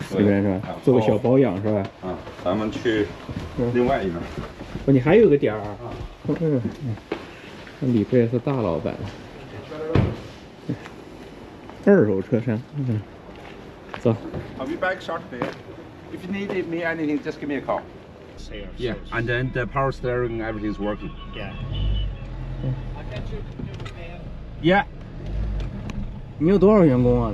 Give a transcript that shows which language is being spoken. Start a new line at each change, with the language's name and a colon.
Chinese: 这边是吧？做个小保养是吧？啊，咱们去另外一边。哦，你还有个点儿啊？那李哥也是大老板，二手车商，走。
English: I'll be back shortly. If you need me anything, just give me a call. Yeah, and then the power steering, everything's working. Yeah. Yeah.
Chinese: 你有多少员工啊？